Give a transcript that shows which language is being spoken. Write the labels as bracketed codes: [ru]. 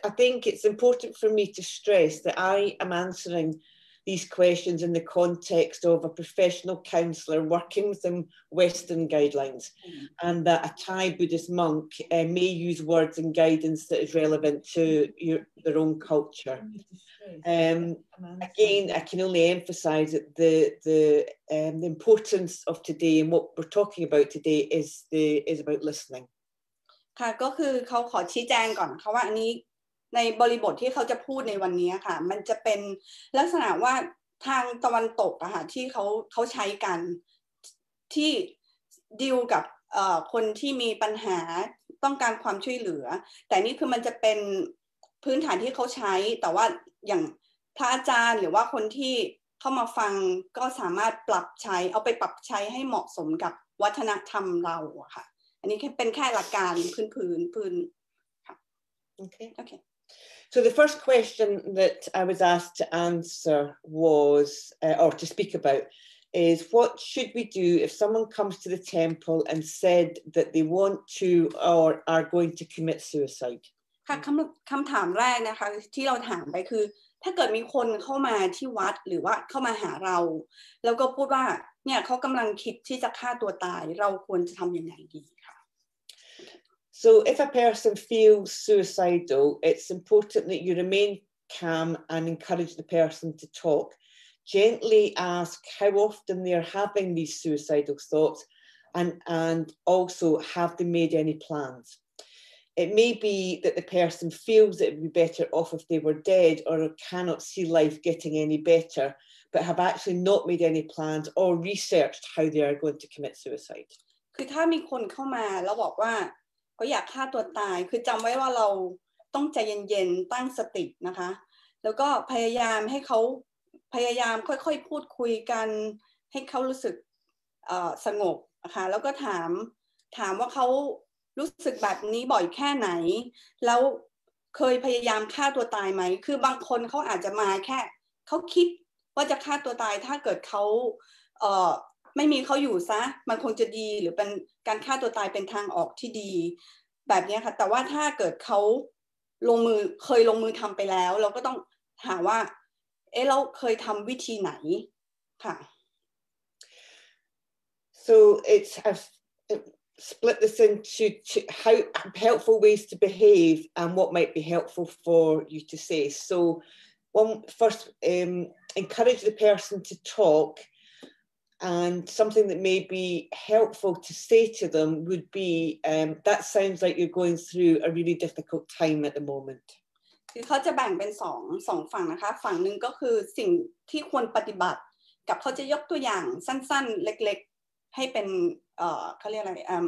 [en] I think it's important for me to stress that I am answering these questions in the context of a professional counsellor working within Western guidelines, and that a Thai Buddhist monk may use words and guidance that is relevant to their own culture. Again, I can only emphasise that the importance of today and what we're talking about today is about listening. [th] ค่ะก็คือเขาขอชี้แจงก่อนค่ะว่าอันนี้ในบริบทที่เขาจะพูดในวันนี้ค่ะมันจะเป็นลักษณะว่าทางตะวันตกอะค่ะที่เขาใช้กัน ที่ดีลกับคนที่มีปัญหาต้องการความช่วยเหลือแต่นี่คือมันจะเป็นพื้นฐานที่เขาใช้แต่ว่าอย่างพระอาจารย์หรือว่าคนที่เข้ามาฟังก็สามารถปรับใช้เอาไปปรับใช้ให้เหมาะสมกับวัฒนธรรมเราอะค่ะอันนี้เป็นแค่หลักการพื้นค่ะ [en] โอเค So the first question that I was asked to answer was, or to speak about, is what should we do if someone comes to the temple and said that they want to or are going to commit suicide? [th] ค่ะคำถามแรกนะคะที่เราถามไปคือถ้าเกิดมีคนเข้ามาที่วัดหรือว่าเข้ามาหาเราแล้วก็พูดว่าเนี่ยเขากำลังคิดที่จะฆ่าตัวตายเราควรจะทำยังไงดี [en] So if a person feels suicidal, it's important that you remain calm and encourage the person to talk. Gently ask how often they are having these suicidal thoughts and also have they made any plans. It may be that the person feels that it would be better off if they were dead or cannot see life getting any better, but have actually not made any plans or researched how they are going to commit suicide. [th] คือถ้ามีคนเข้ามาแล้วบอกว่าก็อยากฆ่าตัวตายคือจำไว้ว่าเราต้องใจเย็นๆตั้งสตินะคะแล้วก็พยายามให้เขาพยายามค่อยๆพูดคุยกันให้เขารู้สึกสงบนะคะแล้วก็ถามว่าเขารู้สึกแบบนี้บ่อยแค่ไหนแล้วเคยพยายามฆ่าตัวตายไหมคือบางคนเขาอาจจะมาแค่เขาคิดว่าจะฆ่าตัวตายถ้าเกิดเขา ไม่มีเขาอยู่ซะมันคงจะดีหรือเป็นการฆ่าตัวตายเป็นทางออกที่ดีแบบนี้ค่ะแต่ว่าถ้าเกิดเขาลงมือเคยลงมือทำไปแล้วเราก็ต้องถามว่าเอ๊ะเราเคยทำวิธีไหนค่ะ [en] So it's I've split this into how helpful ways to behave and what might be helpful for you to say so one first encourage the person to talkAnd something that may be helpful to say to them would be, that sounds like you're going through a really difficult time at the moment. [th] คือเขาจะแบ่งเป็นสองฝั่งนะคะฝั่งหนึ่งก็คือสิ่งที่ควรปฏิบัติกับเขาจะยกตัวอย่างสั้นๆเล็กๆให้เป็นเขาเรียกอะไร